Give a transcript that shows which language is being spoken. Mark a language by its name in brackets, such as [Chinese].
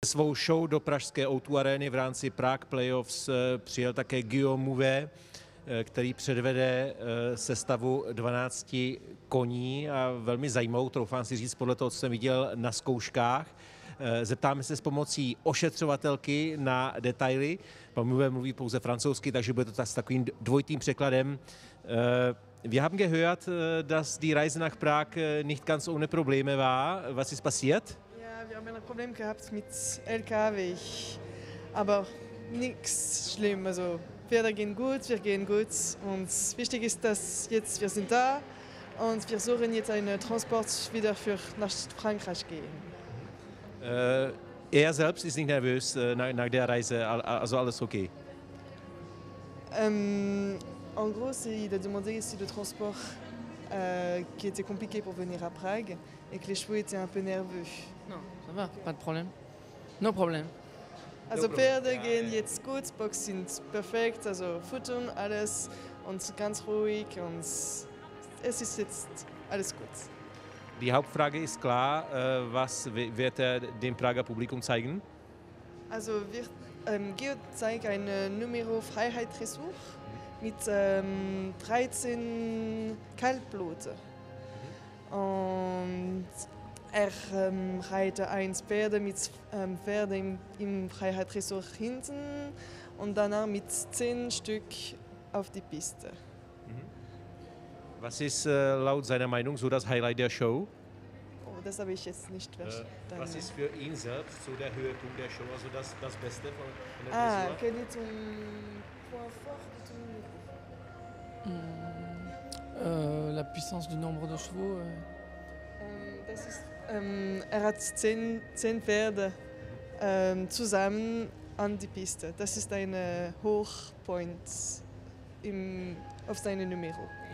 [Czech] Svou show do pražské O2 Areny v rámci Prague Playoffs přijel také Guillaume Mouvet, který předvede sestavu 12 koní a velmi zajímavou, troufám si říct, podle toho, co jsem viděl na zkouškách. Zeptáme se s pomocí ošetřovatelky na detaily. Mouvet mluví pouze francouzsky, takže bude to s takovým dvojitým překladem. [German] Wir haben gehört, dass die Reise nach Prag nicht ganz ohne Probleme war. Was ist passiert? Ja, wir haben ein Problem gehabt mit LKW. Aber nichts schlimm. Also, Pferde gehen gut, wir gehen gut. Und wichtig ist, dass jetzt wir sind da und wir suchen jetzt einen Transport wieder für nach Frankreich gehen. Er selbst ist nicht nervös nach der Reise, also alles okay? [French] En gros, il a demandé si le transport qui était compliqué pour venir à Prague et que les chevaux étaient un peu nerveux. Non, ça va, pas de problème. [English] No problem. [German] Also, Pferde gehen jetzt gut, Box sind perfekt, also Futtern, alles und ganz ruhig und es ist jetzt alles gut. Die Hauptfrage ist klar, was wird er dem Prager Publikum zeigen? Also, Geo zeigt ein Numero Freiheit Dressur. Mit 13 Kaltblut. Und er reitet eins Pferde mit Pferde im Freiheitsressort hinten und danach mit 10 Stück auf die Piste. Was ist laut seiner Meinung so das Highlight der Show? Oh, das habe ich jetzt nicht verstanden. Was ist für ihn selbst so der Höhepunkt der Show, also das Beste von der Dressur? Ah, kann ich zum Point fort zum [French] La puissance du nombre de chevaux. [German] Das ist, er hat 10 Pferde zusammen an die Piste. Das ist ein Hochpoint auf seinem Numero.